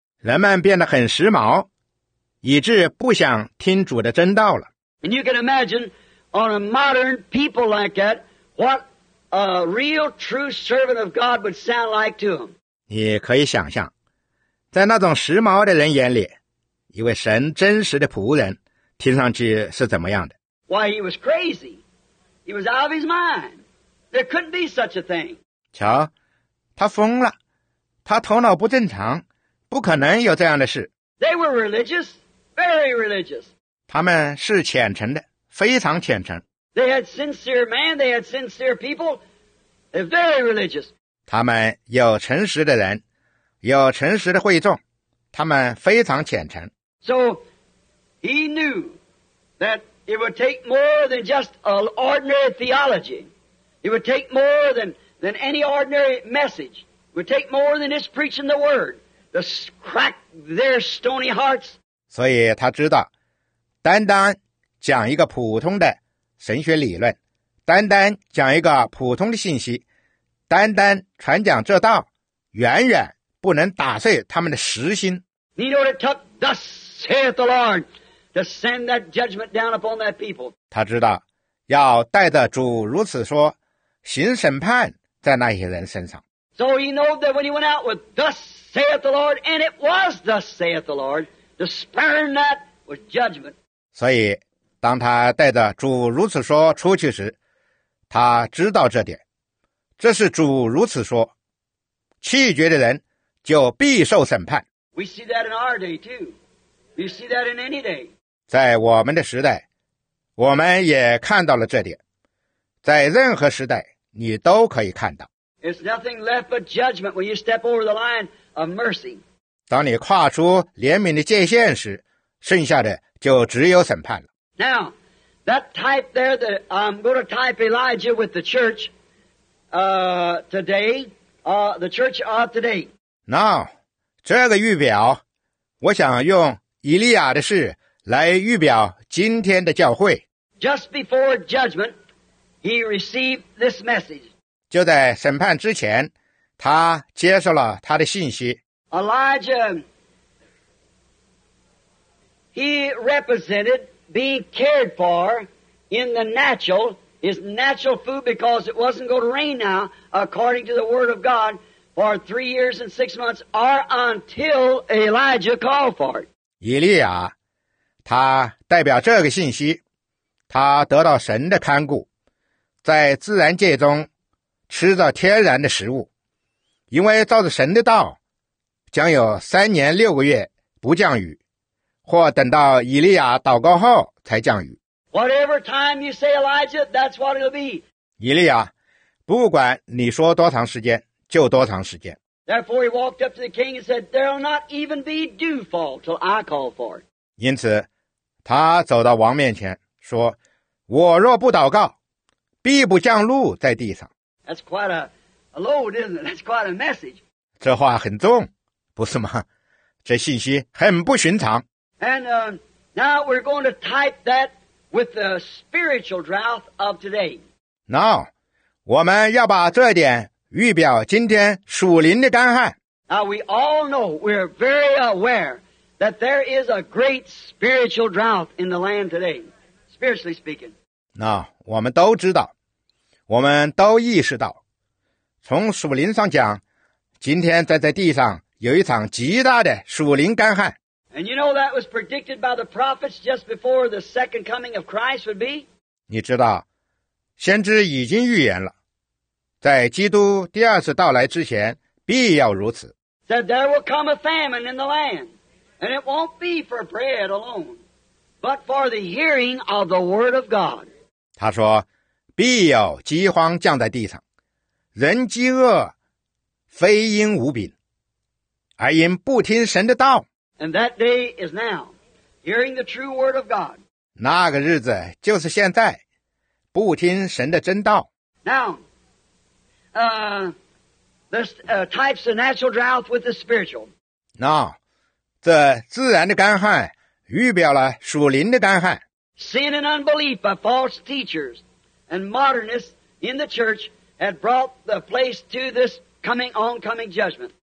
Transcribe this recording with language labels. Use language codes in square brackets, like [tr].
[zh] 人们变得很时髦，以致不想听主的真道了。 [en] And you can imagine on a modern people like that, what a real true servant of God would sound like to them. [zh] 你可以想象，在那种时髦的人眼里，一位神真实的仆人听上去是怎么样的？ [en] Why, he was crazy. He was out of his mind. There couldn't be such a thing. [zh] 瞧，他疯了，他头脑不正常，不可能有这样的事。 [en] They were religious, very religious. [zh] 他们是虔诚的，非常虔诚。 [en] They had sincere man, they had sincere people, they're very religious. [zh] 他们有诚实的人，有诚实的会众，他们非常虔诚。 [en] So, he knew that it would take more than just an ordinary theology. It would take more than any ordinary message. It would take more than just preaching the word to crack their stony hearts. [zh] 所以他知道，单单讲一个普通的神学理论，单单讲一个普通的信息，单单传讲这道，远远不能打碎他们的实心。 [en] He knew it took thus saith the Lord to send that judgment down upon that people. [zh] 他知道要带着主如此说，行审判在那些人身上。 [en] So he knew that when he went out with thus saith the Lord, and it was thus saith the Lord, to spurn that was judgment. [zh] 所以，当他带着主如此说出去时，他知道这点，这是主如此说，弃绝的人就必受审判。 [en] We see that in our day too. You see that in any day. [zh] 在我们的时代，我们也看到了这点。在任何时代，你都可以看到。 [en] It's nothing left but judgment when you step over the line of mercy. [zh] 当你跨出怜悯的界限时，剩下的就只有审判了。 [en] Now, that type there that I'm going to type Elijah with the church, today, the church of today. [zh] Now,这个预表，我想用以利亚的事来预表今天的教会。 [en] Just before judgment, he received this message. [zh] 就在审判之前，他接受了他的信息。 [en] Elijah, he represented being cared for in the natural, his natural food, because it wasn't going to rain now, according to the word of God. For 3 years and 6 months are until Elijah called for it. [zh] 以利亚，他代表这个信息，他得到神的看顾，在自然界中吃着天然的食物，因为照着神的道，将有3年6个月不降雨，或等到以利亚祷告后才降雨。 Whatever time you say Elijah, that's what it'll be. 以利亚，不管你说多长时间。就多长时间。 [en] Therefore, he walked up to the king and said, "There'll not even be dewfall till I call for it." [zh] 因此，他走到王面前说：“我若不祷告，必不降露在地上。” [en] That's quite a load, isn't it? That's quite a message. [zh] 这话很重，不是吗？这信息很不寻常。 [en] And now we're going to type that with the spiritual drought of today. [zh] Now, 我们要把这一点。预表今天属灵的干旱。 [en] Now we all know, we're very aware that there is a great spiritual drought in the land today, spiritually speaking. [zh] Now, 我们都知道，我们都意识到，从属灵上讲，今天在地上有一场极大的属灵干旱。 [en] And you know that was predicted by the prophets just before the second coming of Christ would be? [zh] 你知道，先知已经预言了。在基督第二次到来之前必要如此。 [en] Said there will come a famine in the land, and it won't be for bread alone, but for the hearing of the word of God. [zh] 他说必有饥荒降在地上，人饥饿非因无饼，而因不听神的道。 [en] And that day is now, hearing the true word of God. [zh] 那个日子就是现在，不听神的真道。 [en] Now,types of natural drought with the spiritual. [zh] Now, 这自然的干旱预表了属灵的干旱。 [en] Sin and unbelief by false teachers and modernists in the church had brought the place to this coming oncoming judgment.